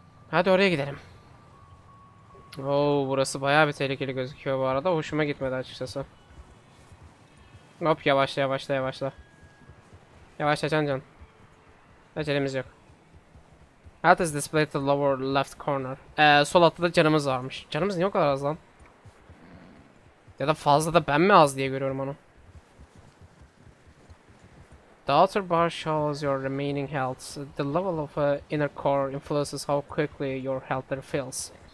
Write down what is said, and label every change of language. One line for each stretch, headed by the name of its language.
Turkish: Hadi oraya gidelim. Oo, burası bayağı bir tehlikeli gözüküyor bu arada. Hoşuma gitmedi açıkçası. Hop, yavaşla yavaşla yavaşla. Yavaşla can can. Ecelimiz yok.
English: Health is displayed to lower left corner.
Turkish: Sol altta da canımız varmış. Canımız niye o kadar az lan? Ya da fazla da ben mi az diye görüyorum onu?
English: The outer bar shows your remaining health. The level of inner core influences how quickly your health refills.